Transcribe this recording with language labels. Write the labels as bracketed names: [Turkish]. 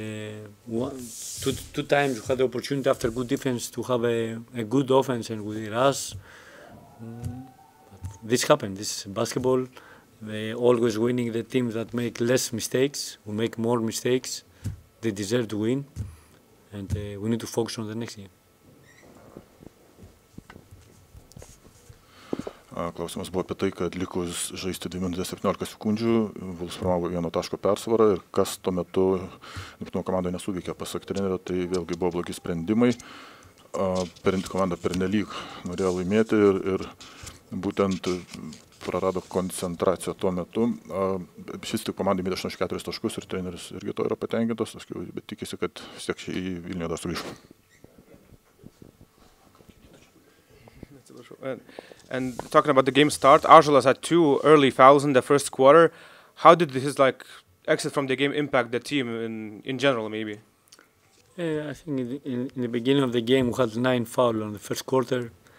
[English] Two times we had the opportunity after good defense to have a good offense and with us. This happened, this is basketball. Always winning the team that make less mistakes, we make more mistakes. They deserve to win and we need to focus on the next game. [Lithuanian] Klausimas buvo apie tai, kad likus žaisti 2 minutės 17 sekundžių, Vuls formavo 1 taško persvarą ir kas tuo metu Neptūno komandoje nesuveikė. Pasak trenerio, tai vėlgi buvo blogi sprendimai. Komanda pernelyg norėjo laimėti ir būtent prarado koncentraciją tuo metu. Šis tik komandai mėdė 84 taškus ir treneris irgi to yra patenkintas, bet tikisi, kad siek šiai į Vilnių dar sugrįžtų. [English] And talking about the game start, Ažuolas had 2 early fouls in the first quarter. How did his like exit from the game impact the team in general, maybe? I think in the beginning of the game we had 9 fouls on the first quarter.